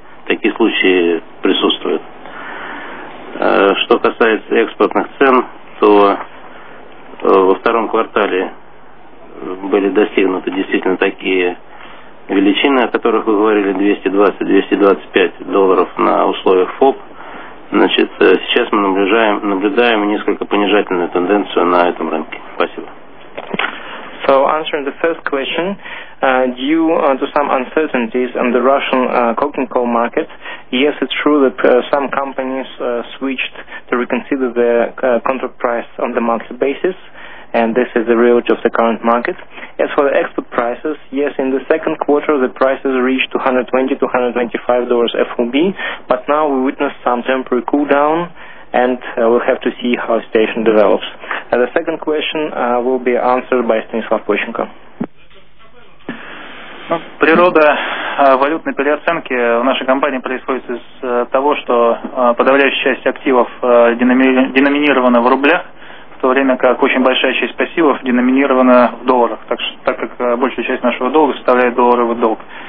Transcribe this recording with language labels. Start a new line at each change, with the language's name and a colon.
Russian: Такие случаи присутствуют. Что касается экспортных цен, то во втором квартале были достигнуты действительно такие величины, о которых вы говорили, 220-225 долларов на условиях ФОП. Значит, сейчас мы наблюдаем несколько понижательную тенденцию на этом рынке. Спасибо.
English: So, answering the first question, due to some uncertainties in the Russian coking coal market, yes, it's true that some companies switched to reconsider their contract price on the monthly basis, and this is the reality of the current market. As for the export prices, yes, in the second quarter, the prices reached $120 to $125 FOB, but now we witness some temporary cool down, and we'll have to see how the situation develops. And the second question will be answered by Stanislav Pochenko.
Russian: Ну, природа валютной переоценки в нашей компании происходит из того, что подавляющая часть активов деноминирована в рублях, в то время как очень большая часть пассивов деноминирована в долларах, так как большая часть нашего долга составляет долларовый долг.